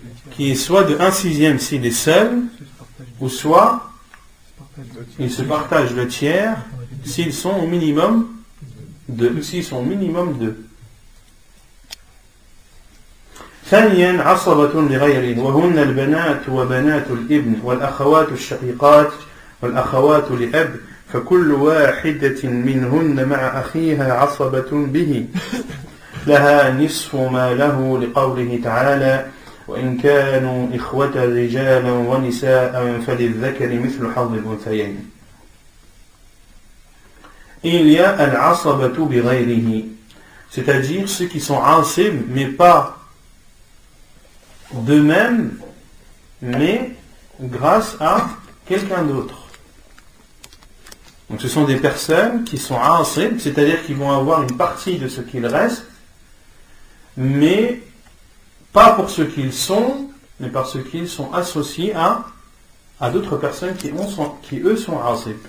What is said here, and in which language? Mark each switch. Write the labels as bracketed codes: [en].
[fr] Qui est soit de 1 sixième s'il est seul, ou soit il se partage le tiers s'ils sont au minimum de, s'ils sont au minimum de. [ar] ثانيا عصبة لغير وهن البنات وبنات الابن والأخوات الشقيقات والأخوات لأب فكل واحدة منهن مع أخيها عصبة به لها نصف ما له لقوله تعالى وإن كانوا إخوة رجالا ونساء فللذكر مثل حظ الأنثيين. [fr] Il y a العصبة بغيره, c'est-à-dire ceux qui sont عصب mais pas d'eux-mêmes, mais grâce à quelqu'un d'autre. Donc ce sont des personnes qui sont asib, c'est-à-dire qu'ils vont avoir une partie de ce qu'il reste, mais pas pour ce qu'ils sont, mais parce qu'ils sont associés à d'autres personnes qui eux sont asib.